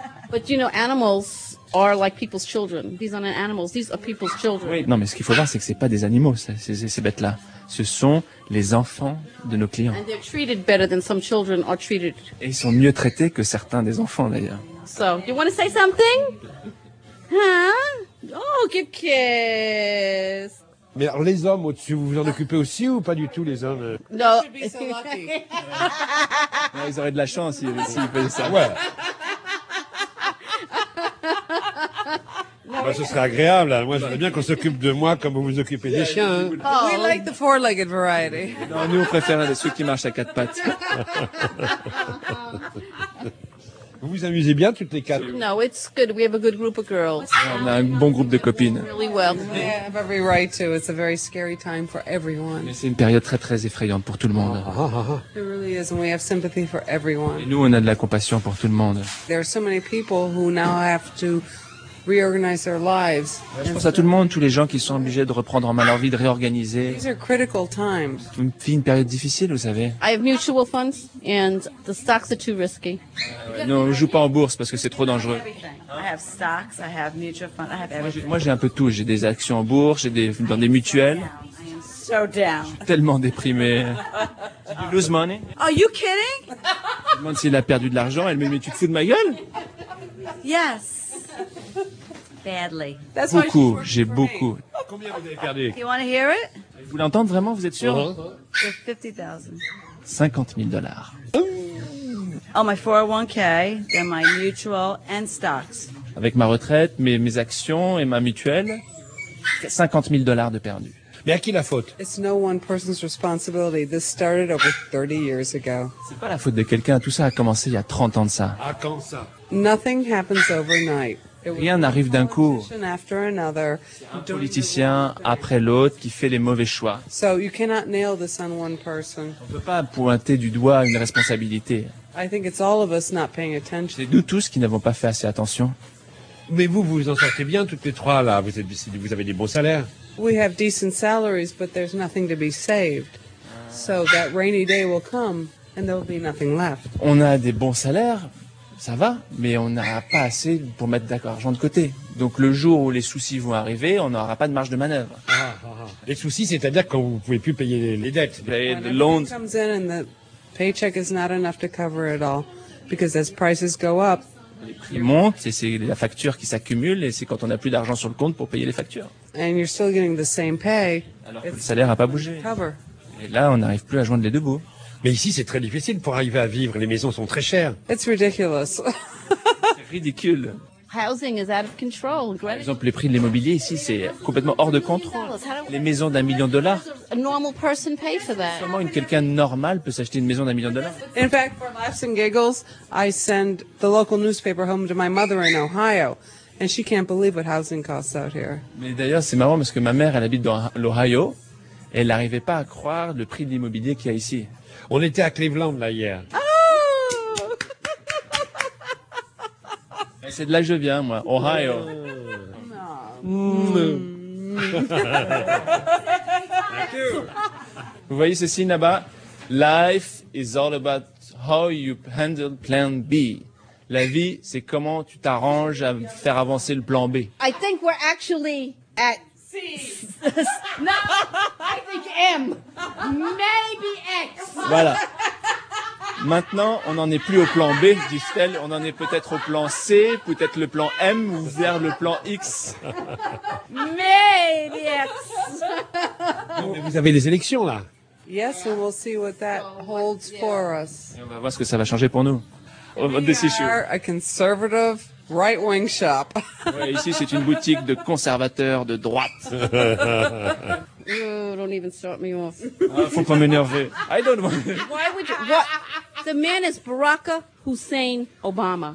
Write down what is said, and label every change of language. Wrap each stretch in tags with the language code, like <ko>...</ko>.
<en>But you know, animals are like people's children. These aren't animals. These are people's children.</en> <fr>Oui. Non, mais ce qu'il faut voir, c'est que c'est pas des animaux, ces bêtes-là. Ce sont les enfants de nos clients.</fr> <en>And they're treated better than some children are treated.</en> <fr>Et ils sont mieux traités que certains des enfants, d'ailleurs.</fr> <en>So, you want to say something? Huh? Oh, give kiss.</en> <fr>Mais alors, les hommes au-dessus, vous vous en occupez aussi ou pas du tout, les hommes? Non. Ouais, ils auraient de la chance s'ils faisaient ça. Ouais. Non, bah, ce serait agréable. Là. Moi, j'aimerais bien qu'on s'occupe de moi comme vous vous occupez des chiens.</fr> <en>Hein. Oh, we like the four-legged variety.</en> <fr>Non, nous, on préfère ceux qui marchent à quatre pattes. Vous vous amusez bien toutes les quatre?</fr> <en>No, it's good. We have a good group of girls.</en> <fr>On a un bon groupe de copines.</fr> <en>Really well. They have every right to. It's a very scary time for everyone.</en> <fr>C'est une période très très effrayante pour tout le monde.</fr> <en>It really is, and we have sympathy for everyone.</en> <fr>Et nous, on a de la compassion pour tout le monde.</fr> <en>There are so many people who now have to reorganize their lives.</en> <fr>Je pense à tout le monde, tous les gens qui sont obligés de reprendre en main leur vie, de réorganiser.</fr> <en>These are critical times.</en> <fr>Une période difficile, vous savez.</fr> <en>I have mutual funds and the stocks are too risky.</en> <fr>Non, je joue pas en bourse parce que c'est trop dangereux.</fr> <en>I have stocks, I have mutual funds, I have everything.</en> <fr>Moi, j'ai un peu tout. J'ai des actions en bourse, j'ai des mutuelles.</fr> <en>So down.</en> <fr>Je suis tellement déprimé.</fr> <en>Did you lose money? Are you kidding?</en> <fr>Je demande s'il a perdu de l'argent. Elle me dit, mais tu te fous de ma gueule?</fr> <en>Yes. Badly.</en> <fr>That's beaucoup, j'ai beaucoup. Combien vous avez perdu?</fr> <en>You want to hear it?</en> <fr>Vous voulez entendre vraiment? Vous êtes sûr? Uh-huh.</fr> <en>$50,000. Oh, my 401k, then my mutual and stocks.</en> <fr>Avec ma retraite, mes actions et ma mutuelle, $50,000 de perdu. Mais à qui la faute?</fr> <en>It's no one person's responsibility. This started over 30 years ago.</en> <fr>C'est pas la faute de quelqu'un. Tout ça a commencé il y a 30 ans de ça. À quand ça?</fr> <en>Nothing happens overnight.</en> <fr>Rien n'arrive d'un coup.</fr> <en>After another,</en> <fr>un politicien après l'autre qui fait les mauvais choix.</fr> <en>So you cannot nail this on one person.</en> <fr>On ne peut pas pointer du doigt une responsabilité.</fr> <en>I think it's all of us not paying attention.</en> <fr>C'est nous tous qui n'avons pas fait assez attention. Mais vous en sortez bien toutes les trois là. Vous avez des bons salaires.</fr> <en>We have decent salaries, but there's nothing to be saved. So that rainy day will come, and there will be nothing left.</en> <fr>On a des bons salaires, ça va, mais on n'a pas assez pour mettre d'argent de côté. Donc le jour où les soucis vont arriver, on n'aura pas de marge de manœuvre. Ah. Les soucis, c'est-à-dire quand vous ne pouvez plus payer les dettes,</fr> <en>the loans. When comes in and the paycheck is not enough to cover it all, because as prices go up.</en> <fr>Les prix montent et c'est la facture qui s'accumule et c'est quand on n'a plus d'argent sur le compte pour payer les factures.</fr> <en>And you're still getting the same pay.</en> <fr>Alors que le salaire n'a pas bougé.</fr> <en>Cover.</en> <fr>Et là, on n'arrive plus à joindre les deux bouts. Mais ici, c'est très difficile pour arriver à vivre. Les maisons sont très chères.</fr> <en>It's ridiculous.</en> <fr>C'est ridicule.</fr> <en>Housing is out of control.</en> <fr>Par exemple, les prix de l'immobilier ici, c'est complètement hors de contrôle. Les maisons d'un million de dollars.</fr> <en>A normal person pay for that.</en> <fr>Sûrement, quelqu'un normal peut s'acheter une maison d'un million de dollars.</fr> <en>In fact, for laughs and giggles, I send the local newspaper home to my mother in Ohio. And she can't believe what housing costs out here.</en> <fr>Mais d'ailleurs, c'est marrant parce que ma mère, elle habite dans l'Ohio, et elle n'arrivait pas à croire le prix de l'immobilier qu'il y a ici. On était à Cleveland, là, hier. Oh! Et c'est de là que je viens, moi. Ohio. Oh. Vous voyez ceci là-bas?</fr> <en>Life is all about how you handle plan B.</en> <fr>La vie, c'est comment tu t'arranges à faire avancer le plan B.</fr> <en>I think we're actually at C. No, I think M. Maybe X.</en> <fr>Voilà. Maintenant, on n'en est plus au plan B, dit-elle. On en est peut-être au plan C, peut-être le plan M ou vers le plan X.</fr> <en>Maybe X.</en> <fr>Mais vous avez des élections, là.</fr> <en>Yes, and we'll see what that holds for us.</en> <fr>Et on va voir ce que ça va changer pour nous.</fr> <en>We are a conservative right-wing shop.</en> <fr>Ouais, ici, c'est une boutique de conservateurs de droite.</fr> <en>You don't even start me off.</en> <fr>Ah, faut pas m'énerver.</fr> <en>I don't want. Why would you? What? The man is Barack Hussein Obama.</en>